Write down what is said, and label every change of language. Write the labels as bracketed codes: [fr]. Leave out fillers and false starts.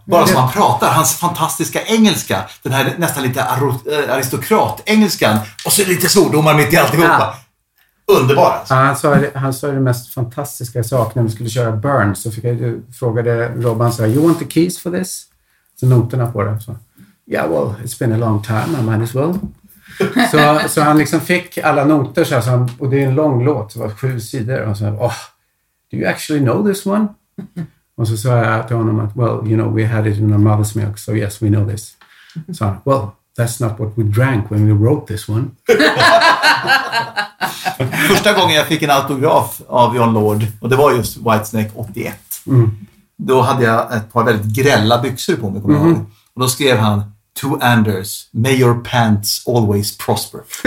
[sv] Bara som han pratar, hans fantastiska engelska, den här nästan lite aristokrat-engelskan, och så är det lite svordomar mitt i alltihopa. Ja. Underbar. Ja, han sa det mest fantastiska sak när vi skulle köra Burn, så fick jag, frågade Robban, så här, [en] you want the keys for this? [sv] Så noterna på det. Så, [en] yeah, well, it's been a long time, I might as well. [sv] Så han liksom fick alla noter, så här, och det är en lång låt, det var 7 sidor, och så här, [en] oh, do you actually know this one? [sv] Och så sa jag till honom att, [en] well, you know, we had it in our mother's milk, so yes, we know this. [sv] Så han, [en] well, that's not what we drank when we wrote this one. [sv] Första gången jag fick en autograf av John Lord, och det var just Whitesnake 81. Mm. Då hade jag ett par väldigt grälla byxor på mig, kommer jag ihåg. Och då skrev han, [en] to Anders, may your pants always prosper.